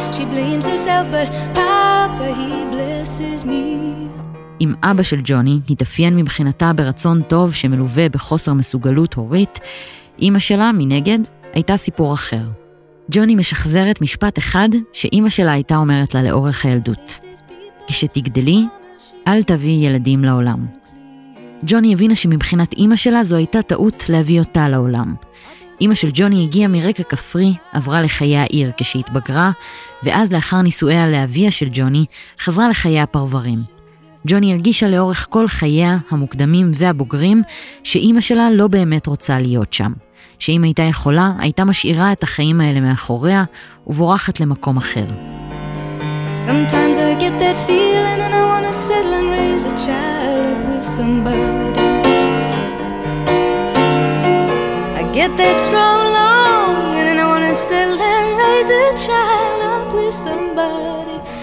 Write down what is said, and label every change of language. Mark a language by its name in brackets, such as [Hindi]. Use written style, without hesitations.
[English] She blames herself, but Papa, he blesses me. [Hebrew] אם אבא של ג'וני התאפיין מבחינתה ברצון טוב שמלווה בחוסר מסוגלות הורית, אמא שלה, מנגד, הייתה סיפור אחר. ג'וני משחזרת משפט אחד שאמא שלה הייתה אומרת לה לאורך הילדות. כשתגדלי, אל תביא ילדים לעולם. ג'וני הבינה שמבחינת אמא שלה זו הייתה טעות להביא אותה לעולם. אמא של ג'וני הגיעה מרקע כפרי, עברה לחיי העיר כשהתבגרה, ואז לאחר נישואיה לאביה של ג'וני, חזרה לחיי הפרברים. ג'וני הרגישה לאורך כל חייה, המוקדמים והבוגרים, שאימא שלה לא באמת רוצה להיות שם. שאם הייתה יכולה, הייתה משאירה את החיים האלה מאחוריה, ובורחת למקום אחר. [English] Sometimes I get that feeling and I want to settle and raise a child up with somebody. I get that strong longing and I want to settle and raise a child up with somebody.